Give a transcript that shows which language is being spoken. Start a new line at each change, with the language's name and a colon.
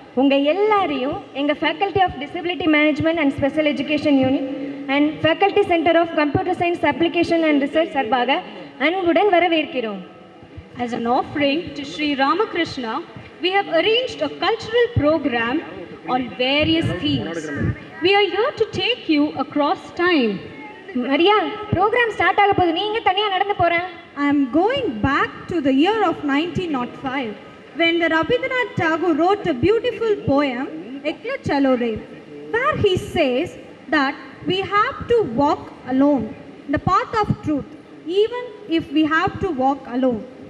Tamil: உங்க எல்லாரையும் எங்கள் faculty of disability management and special education unit and faculty centre of computer science application and research சார்பாக அன்புடன் வரவேற்கிறோம்.
English: As an offering to Sri Ramakrishna, we have arranged a cultural program on various themes. We are here to take you across time.
Tamil: Maria, program start ஆக போகுது, நீ எங்க தனியா நடந்து போற?
English: I am going back to the year of 1905. When Rabindranath Tagore wrote a beautiful poem, Ekla Chalore, where he says that we have to walk alone, the path of truth, even if we have to walk alone.